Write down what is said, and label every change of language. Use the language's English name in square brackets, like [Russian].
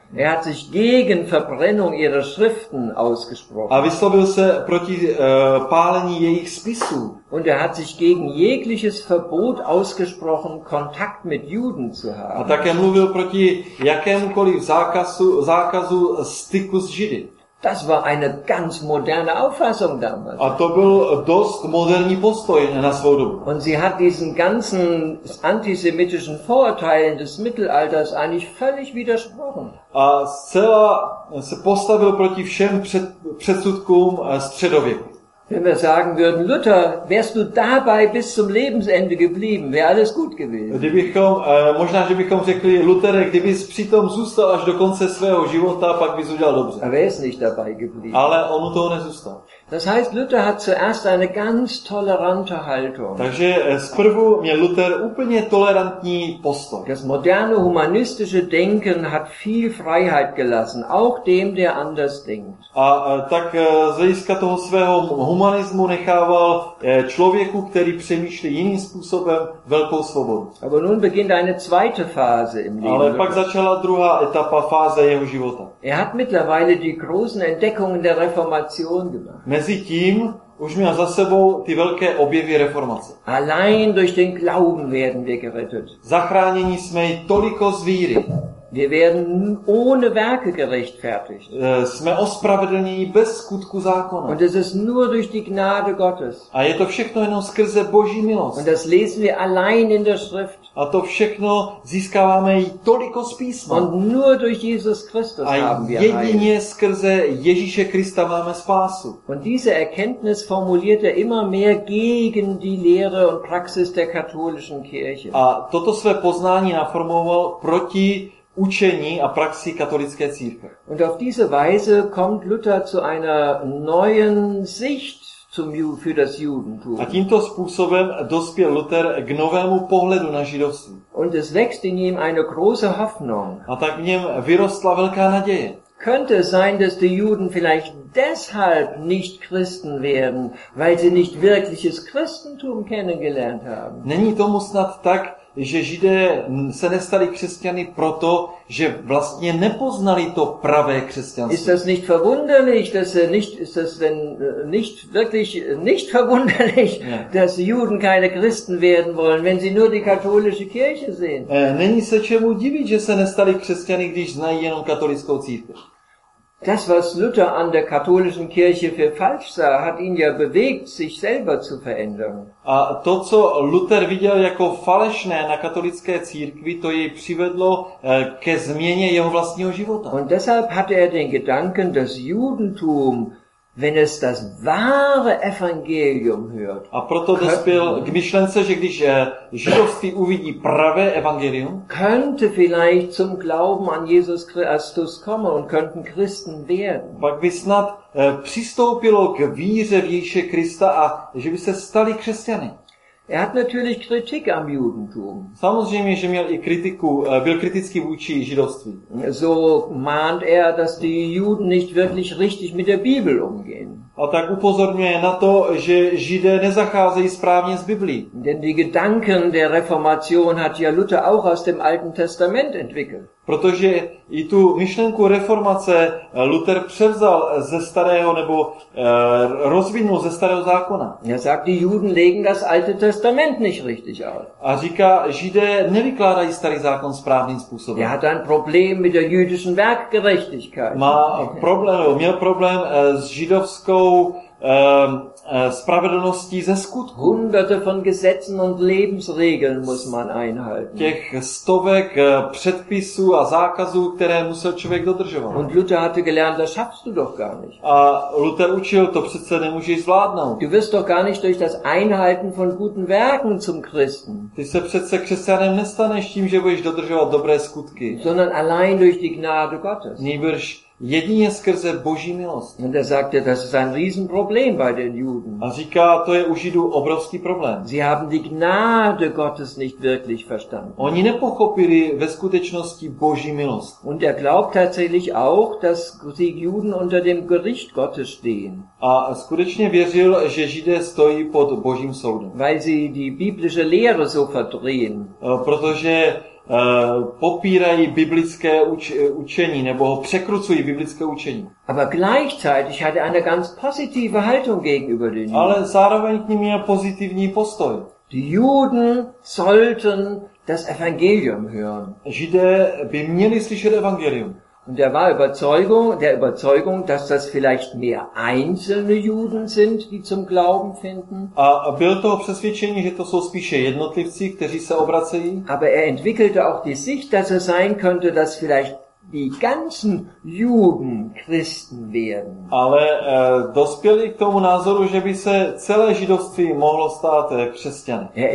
[German] Er hat sich gegen Verbrennung ihrer Schriften ausgesprochen. [Czech] A vyslovil se proti pálení jejich spisů. [German] Und er hat sich gegen jegliches Verbot ausgesprochen, Kontakt mit Juden zu haben. [Czech] A také mluvil proti jakémukoliv zákazu styku s Židy. [German] Das war eine ganz moderne Auffassung damals. [Czech] A to byl dost moderní postoj na svou dobu. [German] Und sie hat diesen ganzen antisemitischen Vorurteilen des Mittelalters eigentlich völlig widersprochen. [Czech] A zcela se postavil proti všem předsudkům středověku. [German] Wenn wir sagen würden, Luther, wärst du dabei bis zum Lebensende geblieben, wäre alles gut gewesen. [Czech] Kdybychom, možná, že bychom řekli, Luthere, kdybys přitom zůstal až do konce svého života, pak bys udělal dobře. [German] Aber er ist nicht dabei geblieben. [Czech] Ale on u toho nezůstal. [German] Das heißt, Luther hat zuerst eine ganz tolerante Haltung. [Czech] Takže zprvu měl Luther úplně tolerantní postoj. [German] Das moderne humanistische Denken hat viel Freiheit gelassen, auch dem, der anders denkt. [Czech] A tak z hlediska toho svého humanismu nechával člověku, který přemýšlí jiným způsobem, velkou svobodu. [German] Aber nun beginnt eine zweite Phase im Leben. [Czech] Ale pak začala druhá etapa, fáze jeho života. [German] Er hat mittlerweile die großen Entdeckungen der Reformation gemacht. [Czech] Mezitím už měl za sebou ty velké objevy reformace. [German] Allein durch den Glauben werden wir gerettet. [Czech] Zachráněni jsme toliko z víry. [German] Wir werden ohne Werke gerechtfertigt. [Czech] Jsme ospravedlněni bez skutku zákona. [German] Und es ist nur durch die Gnade Gottes. [Czech] A je to všechno jenom skrze Boží milost. [German] Und das lesen wir allein in der Schrift. [Czech] A to všechno získáváme toliko z písma. [German] Und nur durch Jesus Christus haben wir Heil. [Czech] A jedině skrze Ježíše Krista máme spásu. [German] Und diese Erkenntnis formuliert er immer mehr gegen die Lehre und Praxis der katholischen Kirche. [Czech] A toto své poznání naformoval proti učení a praxi katolické církve. [German] Und auf diese Weise kommt Luther zu einer neuen Sicht für das Judentum. [Czech] A tímto způsobem dospěl Luther k novému pohledu na židovství. [German] Und es wächst in ihm eine große Hoffnung. [Czech] A tak v něm vyrostla velká naděje. [German] Könnte es sein, dass die Juden vielleicht deshalb nicht Christen werden, weil sie nicht wirkliches Christentum kennengelernt haben? [Czech] Není tomu snad tak, že Židé se nestali křesťany proto, že vlastně nepoznali to pravé křesťanství. [German] Ist das nicht verwunderlich, dass er nicht ist das denn nicht wirklich nicht verwunderlich, dass Juden keine Christen werden wollen, wenn sie nur die katholische Kirche sehen? [Czech] Není se čemu divit, že se nestali křesťany, když znají jenom katolickou církev. [German] Das, was Luther an der katholischen Kirche für falsch sah, hat ihn ja bewegt, sich selber zu verändern. [Czech] A to, co Luther viděl jako falešné na katolické církvi, to jej přivedlo ke změně jeho vlastního života. [German] Und deshalb hatte er den Gedanken, dass Judentum wenn es das wahre Evangelium hört. [Czech] A proto dospěl k myšlence, že když židovství uvidí pravé evangelium, [German] könnte vielleicht zum Glauben an Jesus Christus kommen und könnten Christen werden. [Czech] Pak by snad přistoupilo k víře v Ježíše Krista a že by se stali křesťany. [German] Er hat natürlich Kritik am Judentum. [Czech] Samozřejmě, že měl i kritiku, byl kritický vůči židovství. [German] So mahnt er, dass die Juden nicht wirklich richtig mit der Bibel umgehen. [Czech] A tak upozorňuje na to, že Židé nezacházejí správně s Biblí. [German] Denn die Gedanken der Reformation hat ja Luther auch aus dem Alten Testament entwickelt. [Czech] Protože i tu myšlenku reformace Luther převzal ze starého nebo rozvinul ze starého zákona. [German] Er sagt, die Juden legen das Alte Testament nicht richtig aus. [Czech] A říká, Židé nevykládají starý zákon správným způsobem. [German] Er hat ein Problem mit der jüdischen Werkgerechtigkeit. [Czech] Má problém, měl problém s židovskou spravedlnosti ze skutku. [German] Hunderte von Gesetzen und Lebensregeln muss man einhalten. [Czech] Těch stovek předpisů a zákazů, které musel člověk dodržovat. [German] Und Luther hatte gelernt, das schaffst du doch gar nicht. [Czech] A Luther učil, to přece nemůžeš zvládnout. [German] Du wirst doch gar nicht durch das Einhalten von guten Werken zum Christen. [Czech] Ty se přece křesťanem nestaneš tím, že budeš dodržovat dobré skutky. [German] Sondern allein durch die Gnade Gottes. [Czech] Nýbrž jedině skrze Boží milost. [German] Und er sagte, das ist ein Riesenproblem bei den Juden. [Czech] A říká, to je u Židů obrovský problém. [German] Sie haben die Gnade Gottes nicht wirklich verstanden. [Czech] Oni nepochopili ve skutečnosti Boží milost. [German] Und er glaubt tatsächlich auch, dass die Juden unter dem Gericht Gottes stehen. [Czech] A skutečně věřil, že Židé stojí pod Božím soudem. [German] Weil sie die biblische Lehre so verdrehen. [Czech] Protože popírají biblické učení nebo ho překrucují biblické učení. [German] Aber gleichzeitig hatte eine ganz positive Haltung gegenüber den Juden. [Czech] Ale zároveň k ním měl pozitivní postoj. [German] Die Juden sollten das Evangelium hören. [Czech] Židé by měli slyšet evangelium. [German] Und er war der Überzeugung, dass das vielleicht mehr einzelne Juden sind, die zum Glauben finden. [Czech] A byl toho přesvědčení, že to jsou spíše jednotlivci, kteří se obracejí. [German] Aber er entwickelte auch die Sicht, dass es sein könnte, dass vielleicht die ganzen Juden Christen werden. [Czech] Ale dospěl k tomu názoru, že by se celé židovství mohlo stát křesťany.